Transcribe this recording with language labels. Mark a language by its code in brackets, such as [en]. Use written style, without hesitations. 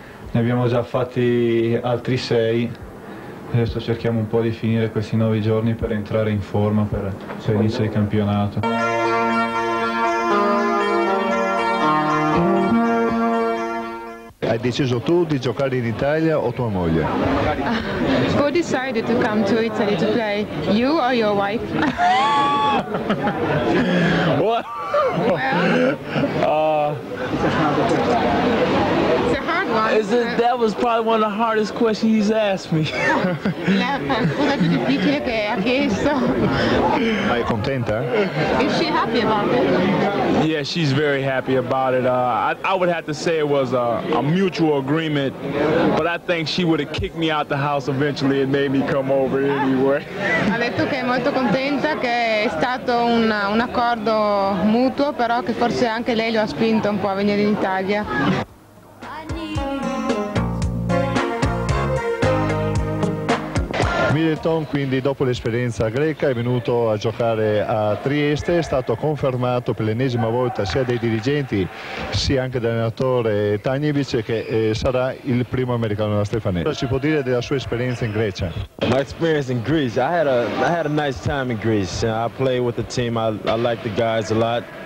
[it] Ne abbiamo già fatti altri 6. Adesso cerchiamo un po' di finire questi 9 giorni per entrare in forma per l'inizio di campionato. Hai deciso tu di giocare in Italia o tua moglie? [en] Who decided to come to Italy to play? You or your wife? What? It's a hard one. That was probably one of the hardest questions he's asked me. [it] Quello più difficile che ha chiesto. Ma è contenta? [en] Is she happy about it? Yeah, she's very happy about it. I would have to say it was a mutual agreement, but I think she would have kicked me out the house eventually and made me come over anyway. [it] Ha detto che è molto contenta, che è stato un accordo mutuo, però che forse anche lei lo ha spinto un po' a venire in Italia. Middleton, quindi, dopo l'esperienza greca, è venuto a giocare a Trieste, è stato confermato per l'ennesima volta sia dai dirigenti sia anche dall'allenatore Tanjevic che sarà il primo americano della Stefanelli. Cosa ci può dire della sua esperienza in Grecia? [en] My experience in Greece, I had a nice time in Greece. I played with the team, I liked the guys a lot.